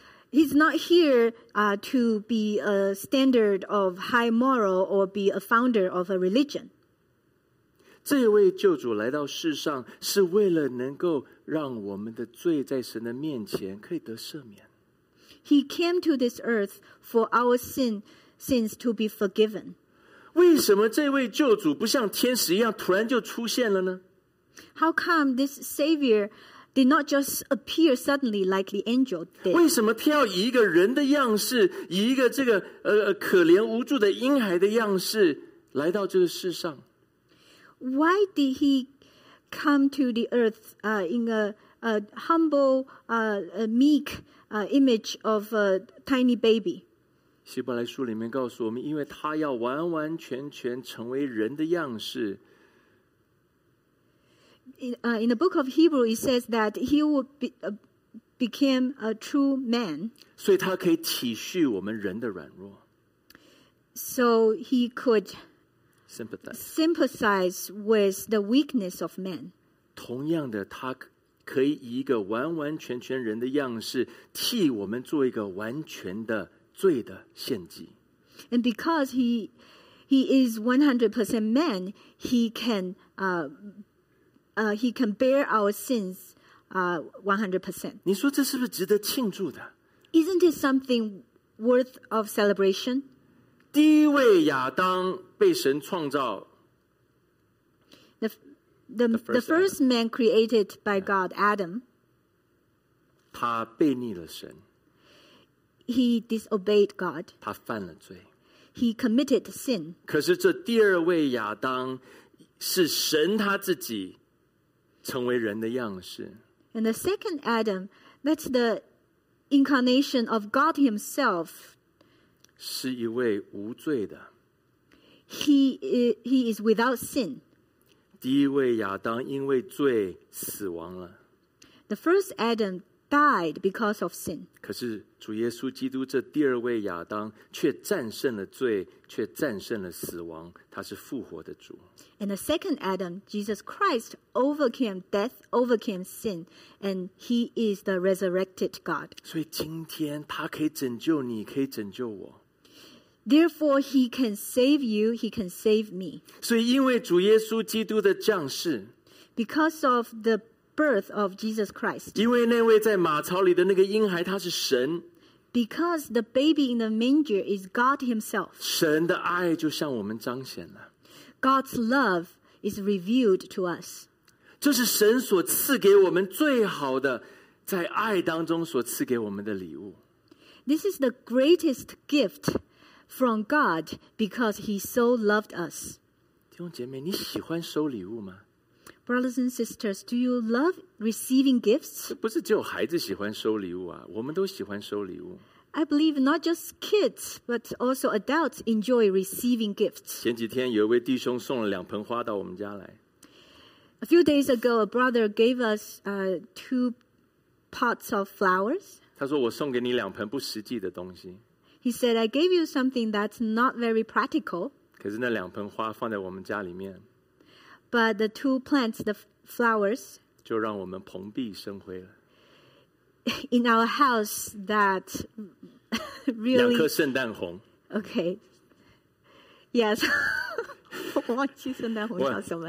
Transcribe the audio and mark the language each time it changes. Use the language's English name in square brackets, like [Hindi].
[English] He's not here to be a standard of high moral or be a founder of a religion. [Chinese] 这位救主来到世上是为了能够让我们的罪在神的面前可以得赦免。 [English] He came to this earth for our sins to be forgiven. [Chinese] 为什么这位救主不像天使一样突然就出现了呢？ [English] How come this Savior... did not just appear suddenly like the angel did. [Chinese] 为什么他要以一个人的样式，以一个这个可怜无助的婴孩的样式来到这个世上？ [English] Why did he come to the earth in a humble, meek image of a tiny baby? [Chinese] 希伯来书里面告诉我们，因为他要完完全全成为人的样式。 [English] In the book of Hebrew, it says that he would became a true man. [Chinese] 所以他可以体恤我们人的软弱。 [English] So he could sympathize with the weakness of man. [Chinese] 同样的，他可以以一个完完全全人的样式，替我们做一个完全的罪的献祭。 [English] And because he is 100% man, he can he can bear our sins 100%. [Chinese] 你说这是不是值得庆祝的？ [English] Isn't it something worth of celebration? [Chinese] 第一位亚当被神创造。 [English] The first man created by God, Adam. [Chinese] 他背逆了神。 [English] He disobeyed God. [Chinese] 他犯了罪。 [English] He committed sin. [Chinese] 可是这第二位亚当是神他自己。成为人的样式。 [English] And the second Adam, that's the incarnation of God himself. [Chinese] 是一位无罪的。 [English] He is without sin. [Chinese] 第一位亚当因为罪死亡了。 [English] The first Adam died because of sin. [Chinese] 可是主耶稣基督这第二位亚当却战胜了罪，却战胜了死亡。他是复活的主。 [English] And the second Adam, Jesus Christ, overcame death, overcame sin, and he is the resurrected God. [Chinese] 所以今天他可以拯救你，可以拯救我。 [English] Therefore, he can save you, he can save me. [Chinese] 所以因为主耶稣基督的降世。 [English] Because of the birth of Jesus Christ. [Chinese] 因为那位在马槽里的那个婴孩他是神。 [English] Because the baby in the manger is God himself. [Chinese] 神的爱就向我们彰显了。 [English] God's love is revealed to us. [Chinese] 这是神所赐给我们最好的，在爱当中所赐给我们的礼物。 [English] This is the greatest gift from God because he so loved us. [Chinese] 弟兄姐妹，你喜欢收礼物吗？ [English] Brothers and sisters, do you love receiving gifts? [Chinese] 不是只有孩子喜欢收礼物啊，我们都喜欢收礼物。 [English] I believe not just kids, but also adults enjoy receiving gifts. [Chinese] 前几天有一位弟兄送了两盆花到我们家来。 [English] A few days ago, a brother gave us two pots of flowers. [Chinese] 他说我送给你两盆不实际的东西。 [English] He said, I gave you something that's not very practical. [Chinese] 可是那两盆花放在我们家里面。 [English] But the two plants, the flowers, [Chinese] 就让我们蓬荜生辉了。 [English] In our house, that really... [Chinese] 两颗圣诞红。 [English] Okay. Yes. [Chinese] 我忘记圣诞红叫什么。